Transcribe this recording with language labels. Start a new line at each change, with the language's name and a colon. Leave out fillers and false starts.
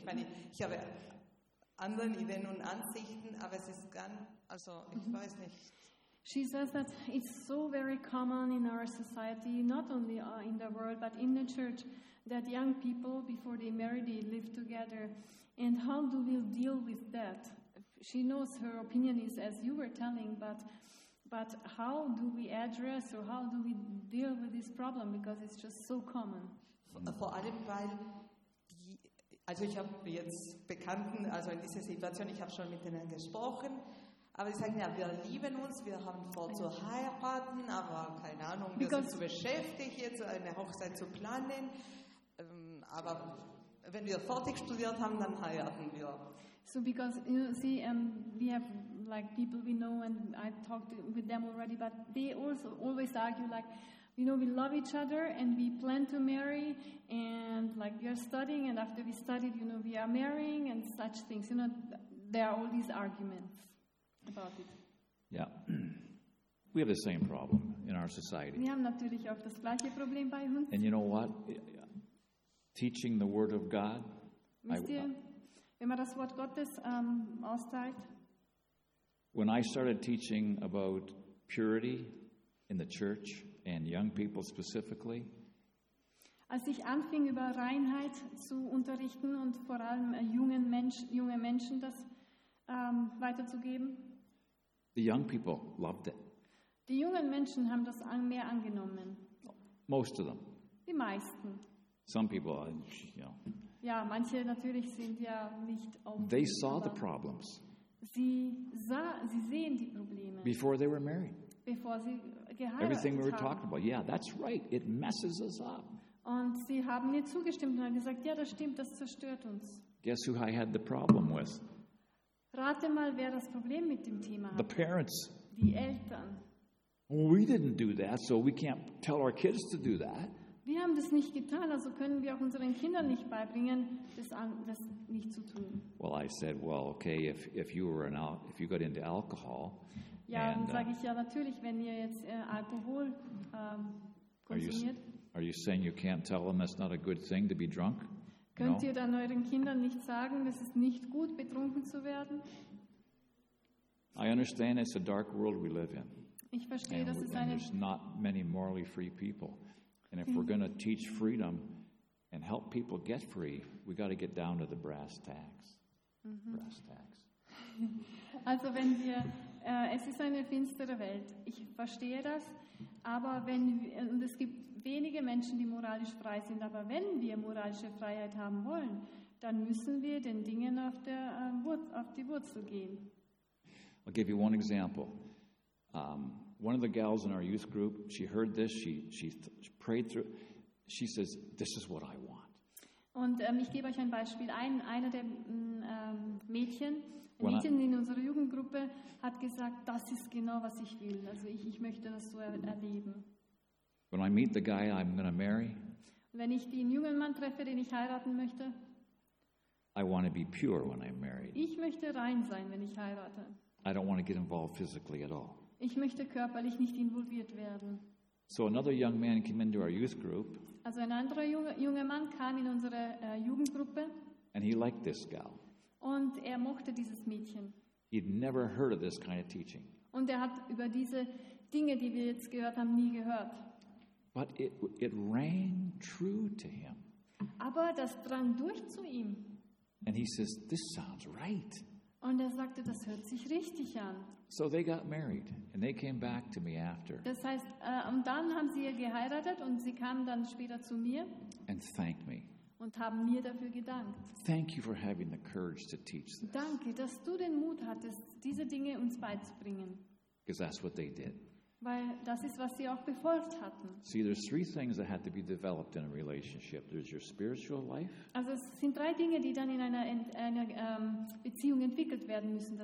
German: Ich meine, ich habe andere Ideen und Ansichten, aber es ist ganz, also ich weiß nicht.
English: She says that it's so very common in our society, not only in the world, but in the church, that young people, before they marry, they live together. And how do we deal with that? She knows her opinion is as you were telling, but how do we address or how do we deal with this problem? Because it's just so common.
German: Vor allem, weil die, also ich habe jetzt Bekannten, also in dieser Situation, ich habe schon mit denen gesprochen, aber sie sagen, ja, wir lieben uns, wir haben vor zu heiraten, aber keine Ahnung, wir sind zu beschäftigt, jetzt eine Hochzeit zu planen, aber wenn wir fertig studiert haben, dann heiraten wir.
English: So because, you know, see, we have like people we know and I talked with them already, but they also always argue like, you know, we love each other and we plan to marry and like we are studying and after we studied, you know, we are marrying and such things. You know, there are all these arguments about it. Yeah. We have the same problem in our society.
German: Wir haben natürlich auch das gleiche Problem bei uns.
English: And you know what? Teaching the Word of God.
German: Wenn man das Wort Gottes austeilt.
English: When I started teaching about purity in the church and young people specifically,
German: als ich anfing über Reinheit zu unterrichten und vor allem junge Menschen das weiterzugeben,
English: the young people loved it.
German: Die jungen Menschen haben das mehr angenommen.
English: Most of them.
German: Die meisten.
English: Some people, you know.
German: Ja, manche natürlich sind ja nicht offen.
English: They saw the problems.
German: Sie sehen die Probleme.
English: Before they were married.
German: Bevor sie geheiratet haben.
English: Everything we were talking about. Yeah, that's right. It messes us up.
German: Und sie haben mir zugestimmt und haben gesagt, ja, das stimmt, das zerstört uns.
English: Guess who I had the problem with?
German: Rate mal, wer das Problem mit dem Thema hat.
English: The parents.
German: Die Eltern.
English: We didn't do that, so we can't tell our kids to do that.
German: Wir haben das nicht getan, also können wir auch unseren Kindern nicht beibringen, das nicht zu tun.
English: Well, I said, well, okay, if you got into alcohol.
German: Ja, dann sage ich ja natürlich, wenn ihr jetzt Alkohol konsumiert.
English: Are you saying you can't tell them that's not a good thing to be drunk?
German: Könnt ihr dann euren Kindern nicht sagen, es ist nicht gut, betrunken zu werden?
English: I understand it's a dark world we live in.
German: Ich verstehe, dass es eine.
English: There's not many morally free people. And if we're going to teach freedom and help people get free, we got to get down to the brass tacks. Mm-hmm. Brass tacks.
German: Also wenn wir, es ist eine finstere Welt. Ich verstehe das. Aber wenn, und es gibt wenige Menschen, die moralisch frei sind. Aber wenn wir moralische Freiheit haben wollen, dann müssen wir den Dingen auf die Wurzel gehen.
English: I'll give you one example. One of the gals in our youth group, she heard this, she prayed through, she says, this is what I want.
German: Und ich gebe euch ein Beispiel. Einer der Mädchen in unserer Jugendgruppe hat gesagt, das ist genau, was ich will. Also ich möchte das so erleben.
English: When I meet the guy I'm going to marry,
German: wenn ich den jungen Mann treffe, den ich heiraten möchte,
English: I want to be pure when I'm married.
German: Ich möchte rein sein, wenn ich heirate.
English: I don't want to get involved physically at all.
German: Ich möchte körperlich nicht involviert werden.
English: So another young man came into our youth group.
German: Also ein anderer junger Mann kam in unsere Jugendgruppe.
English: And he liked this gal.
German: Und er mochte dieses Mädchen.
English: He'd never heard of this kind of teaching.
German: Und er hat über diese Dinge, die wir jetzt gehört haben, nie gehört.
English: But it rang true to him.
German: Aber das drang durch zu ihm.
English: And he says, this sounds right.
German: Und er sagte, das hört sich richtig an.
English: So they got married and they came back to me after.
German: Das heißt, und dann haben sie geheiratet und sie kamen dann später zu mir.
English: And thanked me.
German: Und haben mir dafür gedankt.
English: Thank you for having the courage to teach this.
German: Danke, dass du den Mut hattest, diese Dinge uns beizubringen.
English: Because that's what they did.
German: Weil das ist, was sie auch befolgt hatten.
English: See, there's three things that have to be developed in a relationship. There's your spiritual life.
German: Also es sind drei Dinge, die dann in einer Beziehung entwickelt werden müssen.